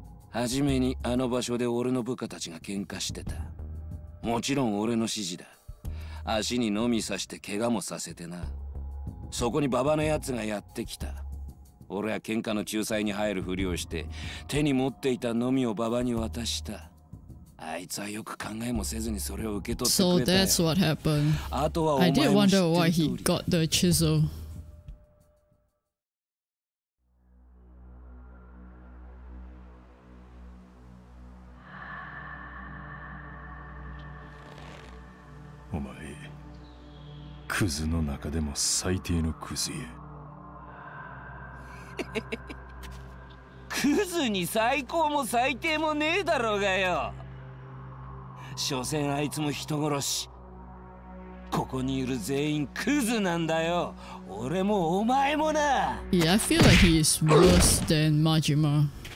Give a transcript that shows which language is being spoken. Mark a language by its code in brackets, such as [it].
[ja] 初めにあの場所で俺の部下たちが喧嘩してた。もちろん俺の指示だ。足にのみさして怪我もさせてな。そこにババのやつがやってきた。俺は喧嘩の仲裁に入るふりをして、手に持っていたのみをババに渡した。あいつはよく考えもせずにそれを受け取ってくれたよ。 [en] So that's what happened. [ja] あとはお前も知ってる通り。 [en] I did wonder why he got the chisel. [ja] お前、クズの中でも最低のクズや。クズに最高も最低もねえだろうがよ。所詮あいつも人殺し。ここにいる全員クズなんだよ。俺もお前もな。 [en] Yeah, I feel like he is worse than Majima.